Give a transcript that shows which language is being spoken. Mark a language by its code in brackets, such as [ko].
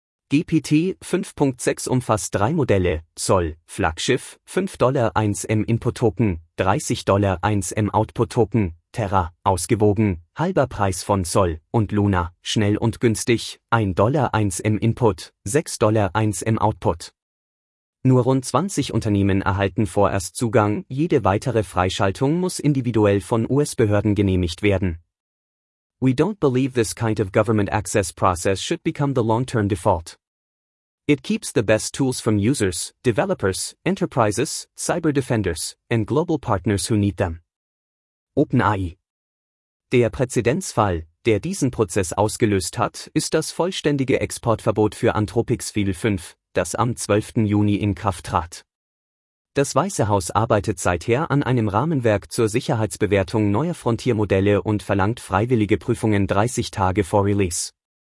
[de] GPT 5.6 umfasst drei Modelle, Sol, Flaggschiff, $5.1 Input-Token, $30.1 Output-Token, Terra, ausgewogen, halber Preis von Sol, und Luna, schnell und günstig, $1.1 Input, $6.1 Output. Nur rund 20 Unternehmen erhalten vorerst Zugang, jede weitere Freischaltung muss individuell von US-Behörden genehmigt werden. [en] We don't believe this kind of government access process should become the long-term default. It keeps the best tools from users, developers, enterprises, cyber defenders, and global partners who need them. OpenAI. [de] Der Präzedenzfall, der diesen Prozess ausgelöst hat, ist das vollständige Exportverbot für Anthropics Veil 5, das am 12. Juni in Kraft trat. Das Weiße Haus arbeitet seither an einem Rahmenwerk zur Sicherheitsbewertung neuer Frontiermodelle und verlangt freiwillige Prüfungen 30 Tage vor Release.